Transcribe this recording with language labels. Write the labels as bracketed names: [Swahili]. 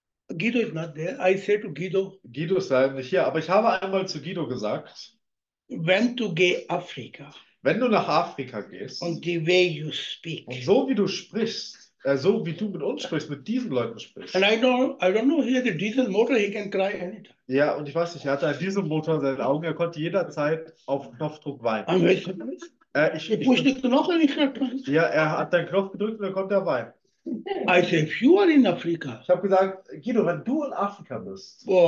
[English] Guido [German] ist [English] not there. I say to Guido. [German] Guido ist leider nicht hier, aber ich habe einmal zu Guido gesagt. Wenn du geh Afrika. Wenn du nach Afrika gehst. Und [English] the way you speak. [German] Und so wie du sprichst. So wie du mit uns sprichst, mit diesen Leuten sprichst. [English] And I don't know, he had a diesel motor, he can cry anytime. [German] Ja, und ich weiß nicht, er hatte einen Dieselmotor in seinen Augen, er konnte jederzeit auf Knopfdruck weinen. Ja, er hat den Knopf gedrückt und dann konnte er weinen. [English] I said, if you are in Africa. [German] Ich habe gesagt, Guido, wenn du in Afrika bist.